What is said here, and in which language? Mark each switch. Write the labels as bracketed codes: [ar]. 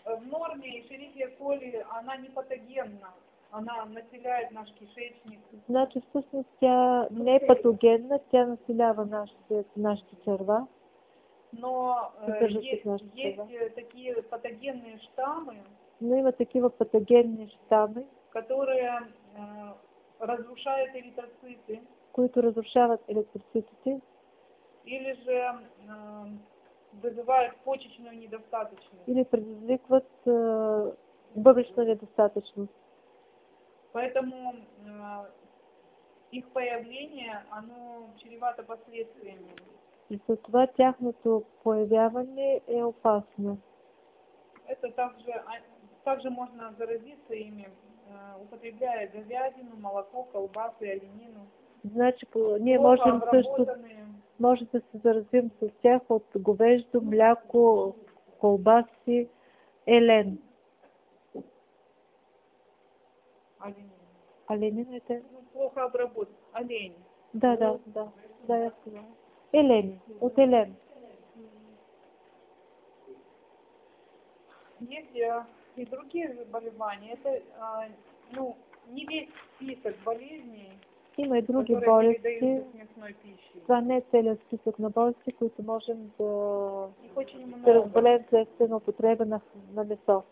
[ru] В норме ешерихия коли, она не патогенна. Она населяет наш кишечник. [bg] Значит, всъщност тя не е патогенна, тя населява нашите черва. [ru] Но есть такие патогенные штаммы. [bg] Но има такива [ru] патогенные штаммы, которые разрушают эритроциты. [bg] Които разрушават еритроцитите. [ru] Или же вызывают почечную недостаточность. [bg] Или предизвикват [ru] бъбречную недостаточность. Поэтому их появление, оно чревато последствиями. [bg] И за това тяхното появление е опасно. [ru] Это также можно заразиться ими, употребляя говядину, молоко, колбасы, оленину. [bg] Значит, ние можем също, може да се заразим с тях от говеждо, мляко, колбаси, елен. [ru] Оленин это? Ну, плохо обработан. Олень. Да, да, да. Да, я сказала. Элен. Вот элен. Есть и другие заболевания. Это, не весь список болезней. [bg] Има и други болести. Това не е целият списък на болести, които можем да се разболеем за естествена употреба на месо.